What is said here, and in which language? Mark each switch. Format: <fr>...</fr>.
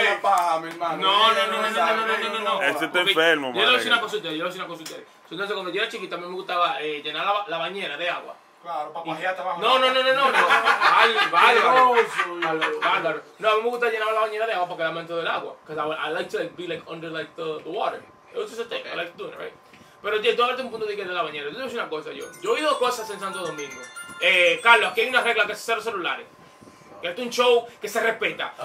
<es>la paja, mi hermano. No. Ese está enfermo, vale. Yo le voy a decir una cosa a ustedes. Entonces, cuando yo era chiquita, a mí me gustaba llenar la bañera de agua. Claro, para pajear trabajo. No. Bárbaro. No, a mí me gusta llenar la bañera de agua para quedarme dentro del agua.</es> <en>Porque I like to be like under like the water. It was just a thing. I like doing it, right?</en> <es>Pero tío, tú hablaste un punto de que de la bañera. Yo te voy a decir una cosa, yo he oído cosas en Santo Domingo. Carlos, aquí hay una regla que es cero celulares. Que esto es un show que se respeta.</es>